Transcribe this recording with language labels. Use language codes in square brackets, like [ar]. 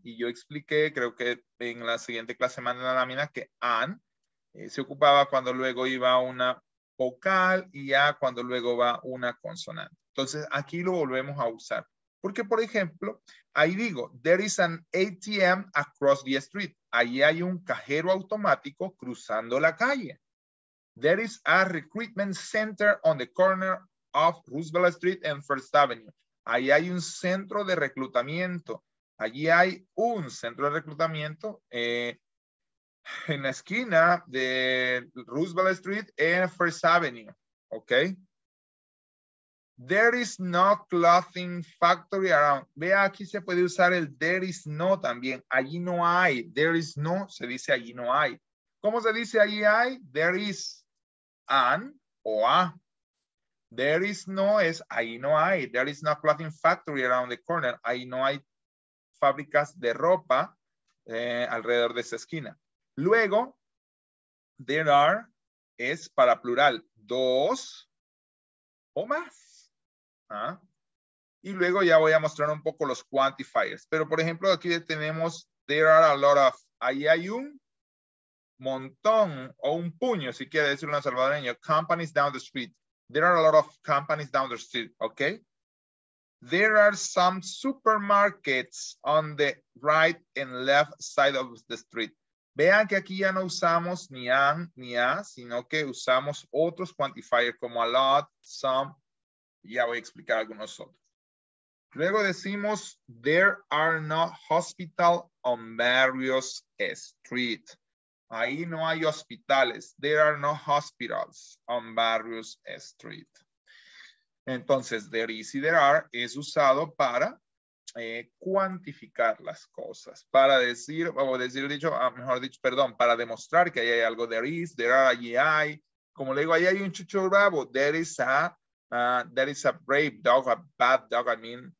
[es] Y yo expliqué, creo que en la siguiente clase mandé la lámina, que an se ocupaba cuando luego iba una vocal y a cuando luego va una consonante. Entonces, aquí lo volvemos a usar. Porque, por ejemplo, ahí digo, [en] there is an ATM across the street. [es] Ahí hay un cajero automático cruzando la calle. [en] There is a recruitment center on the corner of Roosevelt Street and First Avenue. [es] Ahí hay un centro de reclutamiento. Allí hay un centro de reclutamiento en la esquina de Roosevelt Street and First Avenue. ¿Ok? [en] There is no clothing factory around. [es] Vea, aquí se puede usar el there is no también. Allí no hay. There is no, se dice allí no hay. ¿Cómo se dice allí hay? There is. An o a. There is no es ahí no hay. [en] There is no clothing factory around the corner. [es] Ahí no hay fábricas de ropa alrededor de esa esquina. Luego, there are es para plural. Dos o más. ¿Ah? Y luego ya voy a mostrar un poco los quantifiers. Pero por ejemplo, aquí tenemos [en] there are a lot of. [es] Ahí hay un montón o un puño, si quiere decirlo en salvadoreño, [en] companies down the street. There are a lot of companies down the street, okay? There are some supermarkets on the right and left side of the street. [es] Vean que aquí ya no usamos ni an ni a, sino que usamos otros quantifiers como a lot, some. Ya voy a explicar algunos otros. Luego decimos, [en] there are no hospital on various street. [es] Ahí no hay hospitales. [en] There are no hospitals on various street. [es] Entonces, there is y there are es usado para cuantificar las cosas. Para decir, o decir dicho, mejor dicho, perdón, para demostrar que ahí hay algo. [en] There is, there are, [es] allí hay. Como le digo, ahí hay un chucho bravo. [en] There is a brave dog, a bad dog, I mean.